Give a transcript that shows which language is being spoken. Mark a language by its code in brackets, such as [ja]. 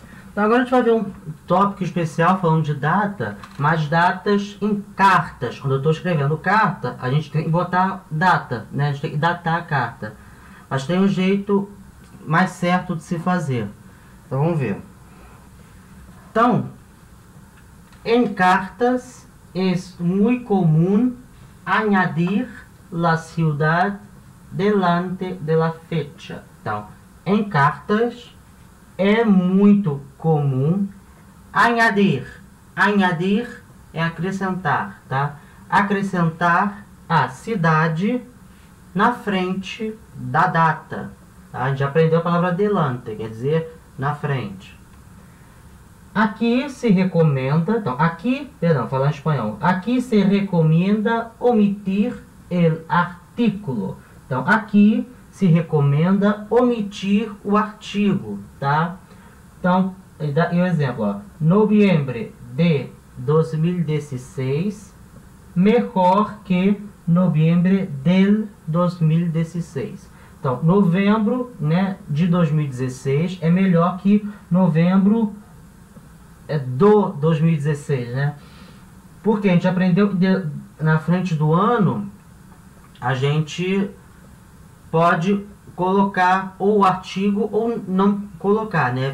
[pt] Então agora a gente vai ver um tópico especial falando de data, mas datas em cartas. Quando eu estou escrevendo carta, a gente tem que botar data, né? A gente tem que datar a carta. Mas tem um jeito mais certo de se fazer. Então vamos ver. [es] Então, em cartas, es muy común añadir la ciudad delante de la fecha. [pt] Então, em cartas, é muito comum añadir. Añadir é acrescentar, tá? Acrescentar a cidade na frente da data. Tá? A gente aprendeu a palavra delante, quer dizer na frente. Aqui se recomenda, então, aqui, perdão, falar em espanhol. [es] Aqui se recomienda omitir el artículo. [pt] Então, aqui se recomenda omitir o artigo, tá? Então, e um exemplo, ó. [es] Noviembre de 2016, mejor que noviembre del 2016. [pt] Então, novembro, né, de 2016 é melhor que novembro do 2016, né? Porque a gente aprendeu que na frente do ano a gente pode colocar ou o artigo ou não colocar, né?